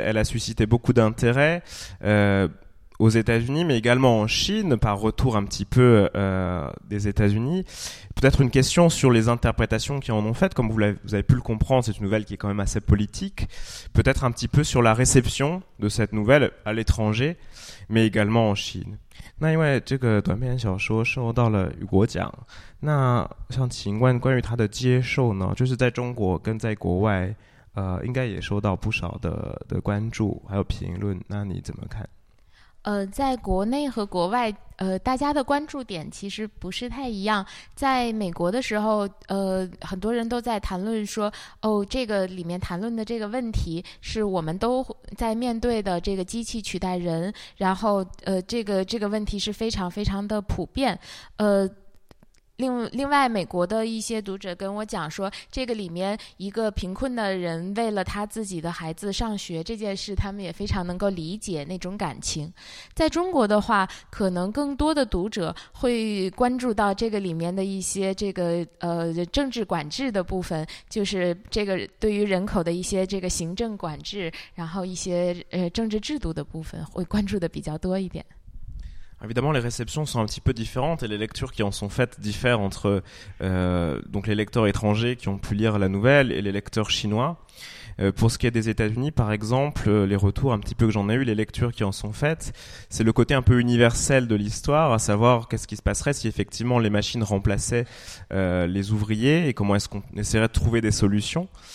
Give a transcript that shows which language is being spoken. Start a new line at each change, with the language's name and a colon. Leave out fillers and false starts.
French: Elle a suscité beaucoup d'intérêt aux États-Unis, mais également en Chine, par retour un petit peu des États-Unis. Peut-être une question sur les interprétations qui en ont faites. Comme vous avez pu le comprendre, c'est une nouvelle qui est quand même assez politique. Peut-être un petit peu sur la réception de cette nouvelle à l'étranger, mais également en Chine.
Chinese: 那因为这个短篇小说受到了雨果奖，那像秦观关于他的接受呢，就是在中国跟在国外，应该也受到不少的关注还有评论，那你怎么看？在国内和国外，大家的关注点其实不是太一样。在美国的时候，很多人都在谈论说，哦，这个里面谈论的这个问题是我们都在面对的这个机器取代人，然后这个问题是非常非常的普遍。另外美国的一些读者跟我讲说，这个里面一个贫困的人为了他自己的孩子上学这件事，他们也非常能够理解那种感情。在中国的话，可能更多的读者会关注到这个里面的一些这个政治管制的部分，就是这个对于人口的一些这个行政管制，然后一些政治制度的部分会关注的比较多一点。
French: Évidemment, les réceptions sont un petit peu différentes et les lectures qui en sont faites diffèrent entre donc les lecteurs étrangers qui ont pu lire la nouvelle et les lecteurs chinois. Pour ce qui est des États-Unis, par exemple, les retours un petit peu que j'en ai eu, les lectures qui en sont faites, c'est le côté un peu universel de l'histoire, à savoir qu'est-ce qui se passerait si effectivement les machines remplaçaient les ouvriers et comment est-ce qu'on essaierait de trouver des solutions.